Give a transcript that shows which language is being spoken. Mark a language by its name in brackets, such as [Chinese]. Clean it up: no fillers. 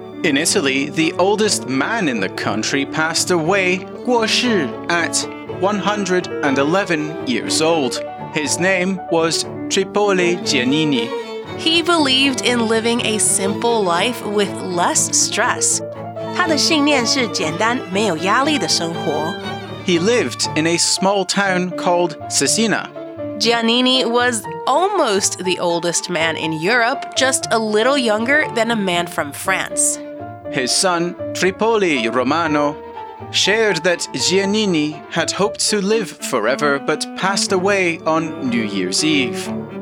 [English] In Italy, the oldest man in the country passed away, [Chinese] 过世, [English] at 111 years old. His name was Tripoli Giannini. He believed in living a simple life with less stress. [Chinese] 他的信念是简单，没有压力的生活。 [English] He lived in a small town called Cecina. Giannini was almost the oldest man in Europe, just a little younger than a man from France. His son, Tripoli Romano, shared that Giannini had hoped to live forever but passed away on New Year's Eve.